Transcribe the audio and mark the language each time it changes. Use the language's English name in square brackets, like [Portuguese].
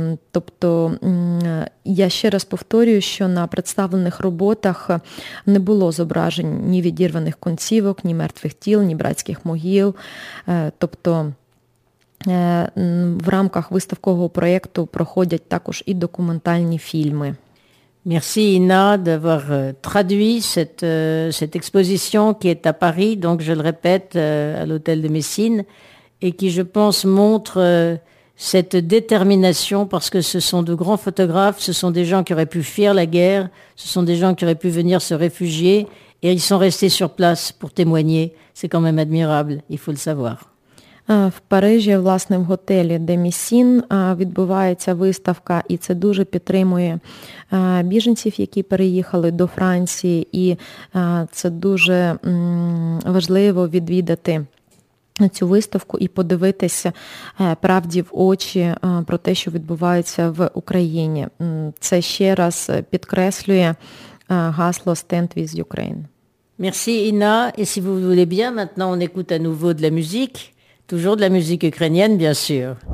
[Ukrainian] Тобто я ще раз повторюю, що на представлених роботах не було зображень ні відірваних кінцівок, ні мертвих тіл, ні братських могил. Тобто в рамках виставкового проєкту проходять також і документальні фільми. [French] Merci Ina d'avoir traduit cette exposition qui est à Paris, donc je le répète, à l'hôtel de Messine, et qui, je pense, montre cette détermination, parce que ce sont de grands photographes, ce sont des gens qui auraient pu fuir la guerre, ce sont des gens qui auraient pu venir se réfugier, et ils sont restés sur place pour témoigner. C'est quand même admirable, il faut le savoir. [Ukrainian] в Парижі, власне, в готелі де Місін відбувається виставка, і це дуже підтримує біженців, які переїхали до Франції, і це дуже важливо відвідати цю виставку і подивитися правді в очі про те, що відбувається в Україні. Це ще раз підкреслює гасло [English] «Stand with Ukraine». [French] Merci Ina, et si vous voulez bien, maintenant on écoute à nouveau de la musique, toujours de la musique ukrainienne bien sûr.